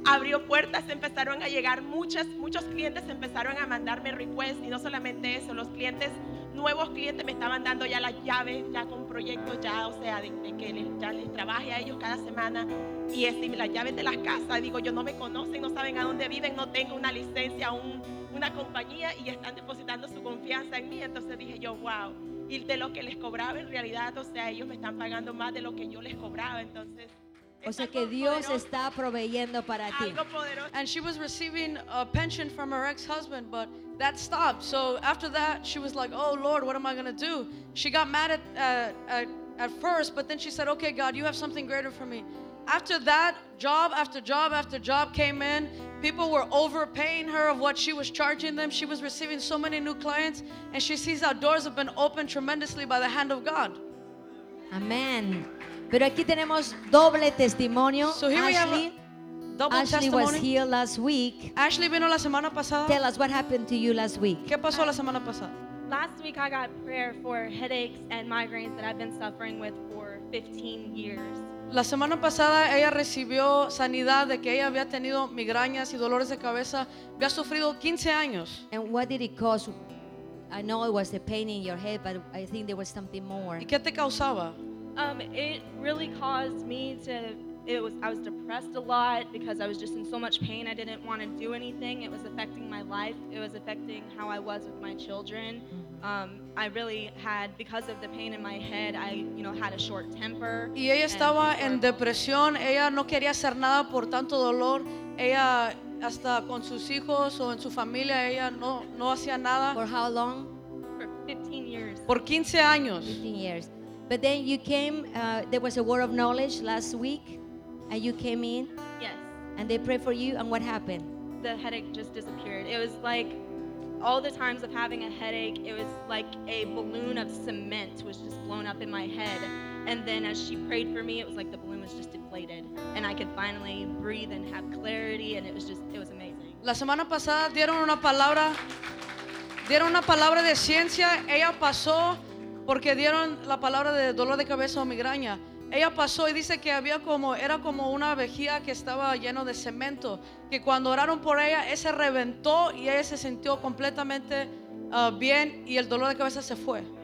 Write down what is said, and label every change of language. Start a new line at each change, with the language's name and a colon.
Spanish: Abrió puertas, empezaron a llegar muchos clientes, empezaron a mandarme requests y no solamente eso, los clientes, nuevos clientes me estaban dando ya las llaves, ya con proyectos, ya, o sea, de que ya les trabaje a ellos cada semana y las llaves de las casas, digo, yo no me conocen, no saben a dónde viven, no tengo una licencia, una compañía y están depositando su confianza en mí, entonces dije yo, wow, y de lo que les cobraba en realidad, o sea, ellos me están pagando más de lo que yo les cobraba, entonces... O sea que Dios está proveyendo para ti.
English: And she was receiving a pension from her ex-husband, but that stopped. So after that, she was like, oh, Lord, what am I going to do? She got mad at first, but then she said, okay, God, you have something greater for me. After that, job after job after job came in. People were overpaying her of what she was charging them. She was receiving so many new clients, and she sees how doors have been opened tremendously by the hand of God.
Spanish: Amen. Pero aquí tenemos doble testimonio.
English: So here Ashley, testimony. Was here last week.
Spanish: Ashley vino la semana pasada.
English: Tell us what happened to you last week.
Spanish: ¿Qué pasó la semana pasada?
English: Last week I got prayer for headaches and migraines that I've been suffering with for 15 years.
Spanish: La semana pasada ella recibió sanidad de que ella había tenido migrañas y dolores de cabeza, había sufrido 15 años.
English: And what did it cause? I know it was the pain in your head, but I think there was something more.
Spanish: ¿Y qué te causaba?
English: It really caused me to. I was depressed a lot because I was just in so much pain. I didn't want to do anything. It was affecting my life. It was affecting how I was with my children. I really had, because of the pain in my head, I, you know, had a short temper.
Spanish: Y ella estaba en depresión. Ella no quería hacer nada por tanto dolor. Ella hasta con sus hijos o en su familia ella no hacía nada.
English: For how long? For 15 years.
Spanish: Por 15 años.
English: 15 years. But then you came, there was a word of knowledge last week, and you came in. Yes. And they prayed for you, and what happened? The headache just disappeared. It was like all the times of having a headache, it was like a balloon of cement was just blown up in my head. And then as she prayed for me, it was like the balloon was just deflated, and I could finally breathe and have clarity, and it was amazing.
Spanish: La semana pasada dieron una palabra de ciencia, ella pasó, porque dieron la palabra de dolor de cabeza o migraña. Ella pasó y dice que había como, era como una vejiga que estaba lleno de cemento, que cuando oraron por ella, ese reventó y ella se sintió completamente bien y el dolor de cabeza se fue.